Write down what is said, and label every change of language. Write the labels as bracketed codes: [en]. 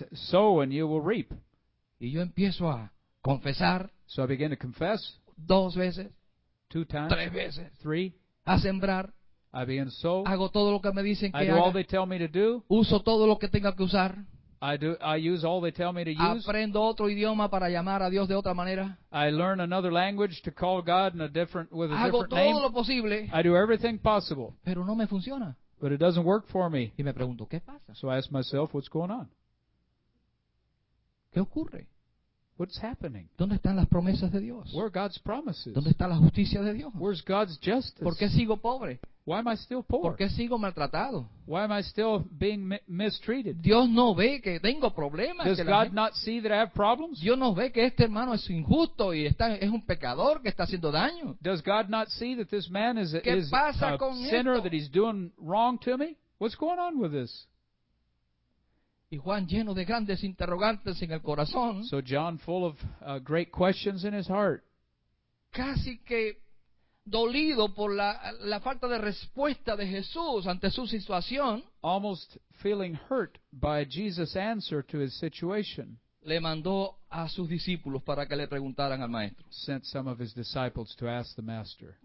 [en] Sow and you will reap. [es] Y yo empiezo a confesar. [en] So I begin to confess. [es] Dos veces. [en] Two times. [es] Tres veces. [en] Three. [es] A sembrar. [en] I begin to sow. [es] Hago todo lo que me dicen que haga. [en] I do all they tell me to do. [es] Uso todo lo que tenga que usar. [en] I use all they tell me to use. [es] Aprendo otro idioma para llamar a Dios de otra manera. [en] I learn another language to call God in a different with a [es] Hago [en] different [es] todo [en] name. [es] Lo posible. [en] I do everything possible. [es] Pero no me funciona. [en] But it doesn't work for me. [es] Y me pregunto, ¿qué pasa? [en] So I ask myself, what's going on? [es] ¿Qué ocurre? [en] What's happening? [es] ¿Dónde están las promesas de Dios? [en] Where are God's promises? [es] ¿Dónde está la justicia de Dios? [en] Where's God's justice? [es] ¿Por qué sigo pobre? [en] Why am I still poor? [es] ¿Por qué sigo maltratado? [en] Why am I still being mistreated? [es] Dios no ve que tengo problemas. [en] Does God not see that I have problems? [es] Dios no ve que este hermano es injusto y es un pecador que está haciendo daño. [en] Does God not see that this man is a sinner [es] esto? [en] That he's doing wrong to me? What's going on with this? [es] Y Juan lleno de grandes interrogantes en el corazón. [en] So John full of great questions in his heart. [es] Casi que dolido por la falta de respuesta de Jesús ante su situación. [en] Almost feeling hurt by Jesus' answer to his situation. [es] Le mandó a sus discípulos para que le preguntaran al maestro. [en] Sent some of his disciples to ask the master.